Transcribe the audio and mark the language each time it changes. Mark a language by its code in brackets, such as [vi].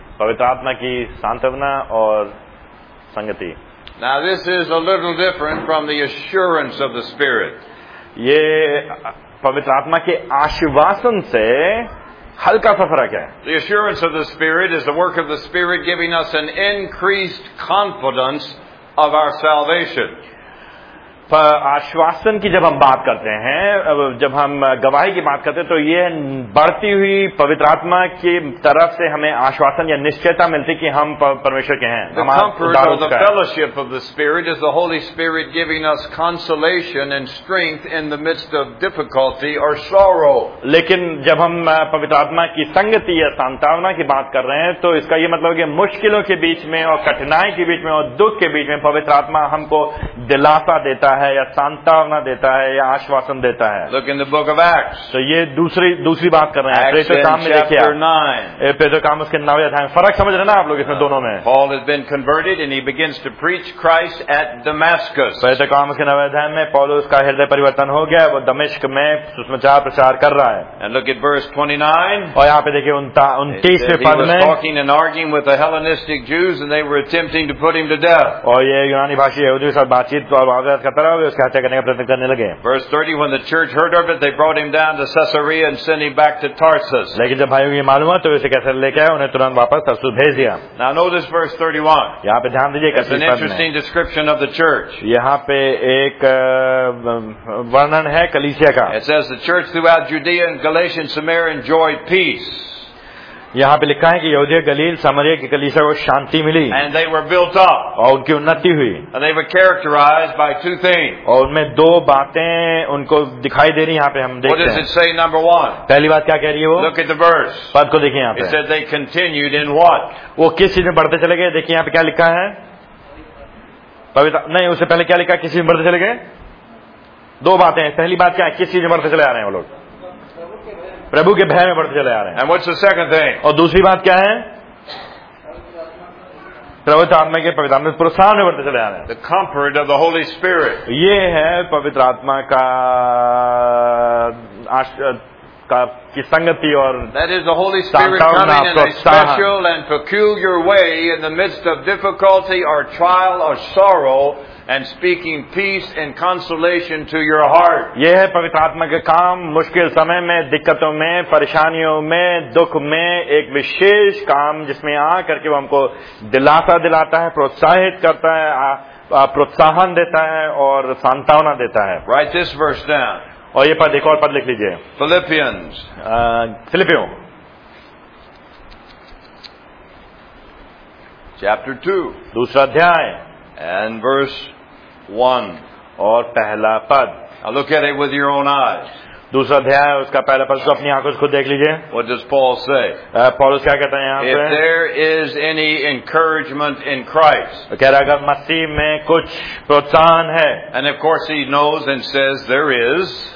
[hi] पवित्र आत्मा की सांत्वना और संगति. [en] Now this is a little different from the assurance of the Spirit. [hi] ये पवित्र आत्मा के आश्वासन से हल्का सा फर्क है. [en] The assurance of the Spirit is the work of the Spirit giving us an increased confidence of our salvation. [hi] आश्वासन की जब हम बात करते हैं जब हम गवाही की बात करते हैं तो ये बढ़ती हुई पवित्र आत्मा की तरफ से हमें आश्वासन या निश्चयता मिलती कि हम परमेश्वर के हैं. [en] The comfort or the fellowship of the Spirit is the Holy Spirit giving us consolation and strength in the midst of difficulty or sorrow. [hi] लेकिन जब हम पवित्र आत्मा की संगति या सांत्वना की बात कर रहे हैं तो इसका ये मतलब कि मुश्किलों के बीच में और कठिनाई के बीच में और दुख के बीच में पवित्र आत्मा हमको दिलासा देता है या सांत्वना देता है या आश्वासन देता है. [en] Look in the book of Acts. [hi] तो ये दूसरी बात कर रहे हैं. [en] Acts [hi] काम में [en] chapter 9. [hi] पेदर काम उसके नवे अध्याय. फर्क समझ रहे ना आप लोग इसमें दोनों में. [en] Paul has been converted and he begins to preach Christ at Damascus. [hi] पेदर काम उसके नवे अध्याय में पौलुस का हृदय परिवर्तन हो गया. वो दमिश्क में सुषमाचार प्रचार कर रहा है. [en] And look at verse 29. [hi] और यहाँ पे देखिए 29वें पद में. [en] He was talking and arguing with the Hellenistic Jews and they were attempting to put him to death. [hi] और ये यूनानी भाषी यहूदियों के साथ बातचीत और वादा [en] Verse 30, when the church heard of it, they brought him down to Caesarea and sent him back to Tarsus. [hi] लेकिन जब भाइयों को ये मालूम हुआ तो इसे कैसे लेके आए उन्हें तुरंत वापस तरसुस भेज दिया. [en] Now notice verse 31. [hi] यहाँ पे ध्यान दीजिए. [en] It's an interesting description of the church. [hi] यहाँ पे एक वर्णन है कलीसिया का. [en] It says the church throughout Judea and Galatia and Samaria enjoyed peace. [hi] यहाँ पे लिखा है कि यहूदी गलील सामरिया की कलीसिया को शांति मिली [en] and they were built up. [hi] और उनकी उन्नति हुई [en] and they were characterized by two things. [hi] और उनमें दो बातें उनको दिखाई दे रही यहाँ पे हम देखते [en] What does it say, number one? [hi] पहली बात क्या कह रही है वो [en] Look at the verse. [hi] पद को देखिए यहाँ पे [en] It said they continued in what? [hi] वो किस चीज में बढ़ते चले गए देखिए यहाँ पे क्या लिखा है पवित्र नहीं उससे पहले क्या लिखा किस चीज में बढ़ते चले गए दो बातें पहली बात क्या है किस चीज में बढ़ते चले आ रहे हैं वो लोग प्रभु के भय में बढ़ते चले आ रहे हैं [en] And what's the second thing? [hi] और दूसरी बात क्या है पवित्र आत्मा के पवित्र आत्मा प्रोत्साहन में बढ़ते चले आ रहे हैं [en] The comfort of the Holy Spirit. [hi] ये है पवित्र आत्मा का की संगति और [en] That is the Holy Spirit coming in a special and peculiar way in the midst of difficulty or trial or sorrow and speaking peace and consolation to your heart. [hi] ये है पवित्र आत्मा का काम मुश्किल समय में दिक्कतों में परेशानियों में दुख में एक विशेष काम जिसमें आ करके वो हमको दिलासा दिलाता है प्रोत्साहित करता है प्रोत्साहन देता है और सांत्वना देता है [en] Write this verse down. [hi] और ये पद एक और पद लिख लीजिए [en] Philippians. [hi] फिलिपियों [en] Chapter 2. [hi] दूसरा अध्याय [en] And verse 1. [hi] और पहला पद [en] Now look at it with your own eyes. [hi] दूसरा अध्याय उसका पहला पद अपनी आंखों से खुद देख लीजिए [en] What does Paul say? [hi] पौलुस क्या कहता है यहाँ पे? [en] If there is any encouragement in Christ. [hi] कह रहा है अगर मसीह में कुछ प्रोत्साहन है [en] And of course he knows and says there is.